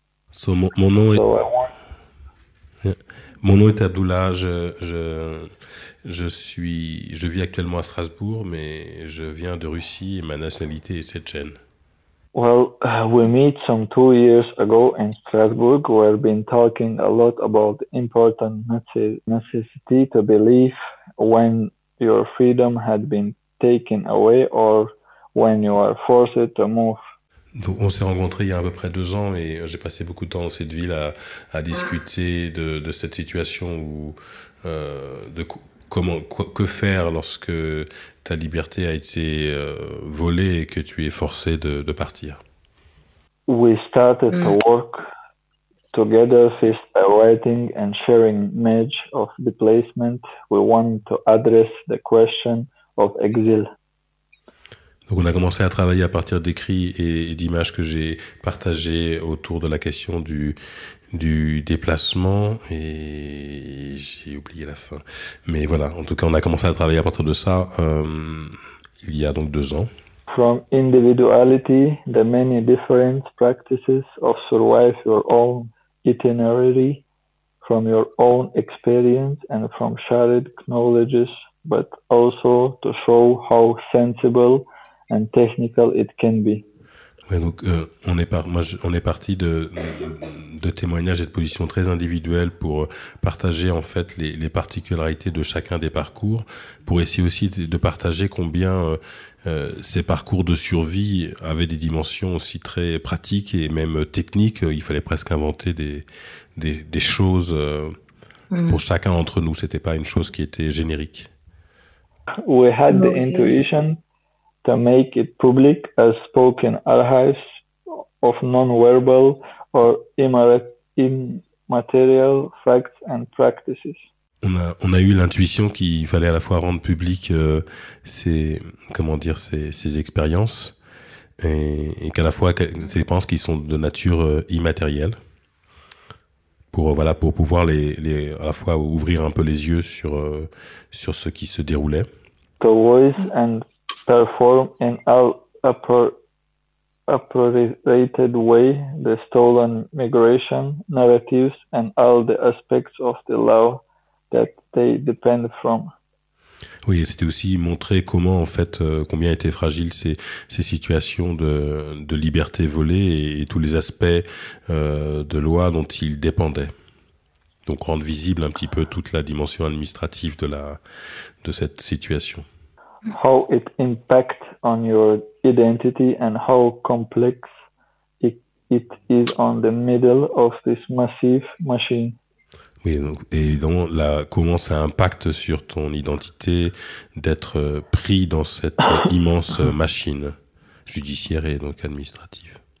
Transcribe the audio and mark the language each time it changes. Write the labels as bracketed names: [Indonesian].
[French] So mon nom est Abdullah, je vis actuellement à Strasbourg, mais je viens de Russie et ma nationalité est tchétchène. [English] Well, we met some 2 years ago in Strasbourg. We have been talking a lot about the important necessity to believe when your freedom had been taken away or when you are forced to move. [French] Donc on s'est rencontrés il y a à peu près 2 ans et j'ai passé beaucoup de temps dans cette ville à discuter de cette situation où que faire lorsque ta liberté a été volée et que tu es forcé de partir. [English] We started to work together, first by writing and sharing image of displacement. We want to address the question of exile. [French] Donc on a commencé à travailler à partir d'écrits et d'images que j'ai partagées autour de la question du déplacement et j'ai oublié la fin. Mais voilà, en tout cas, on a commencé à travailler à partir de ça il y a donc 2 ans. [English] From individuality, the many different practices of survive your own itinerary, from your own experience and from shared knowledges, but also to show how sensible and technical it can be. [French] Ouais, donc on est parti de témoignages et de positions très individuelles pour partager en fait les particularités de chacun des parcours, pour essayer aussi de partager combien ces parcours de survie avaient des dimensions aussi très pratiques et même techniques. Il fallait presque inventer des choses pour chacun d'entre nous. C'était pas une chose qui était générique. [English] We had the intuition to make it public as spoken archives of non-verbal or immaterial facts and practices. [French] On a eu l'intuition qu'il fallait à la fois rendre public ces, comment dire, ces expériences, et qu'à la fois ces expériences qui sont de nature immatérielle, pour pouvoir les à la fois ouvrir un peu les yeux sur ce qui se déroulait. [English] The voice and perform in all appropriated way the stolen migration narratives and all the aspects of the law that they depend from. [French] Oui, c'était aussi montrer comment, en fait, combien étaient fragiles ces situations de liberté volée et tous les aspects de loi dont ils dépendaient. Donc rendre visible un petit peu toute la dimension administrative de cette situation. [English] How it impacts on your identity and how complex it is on the middle of this massive machine. [French] Oui, donc, et donc là, comment ça impacte sur ton identité d'être pris dans cette immense machine judiciaire et donc administrative.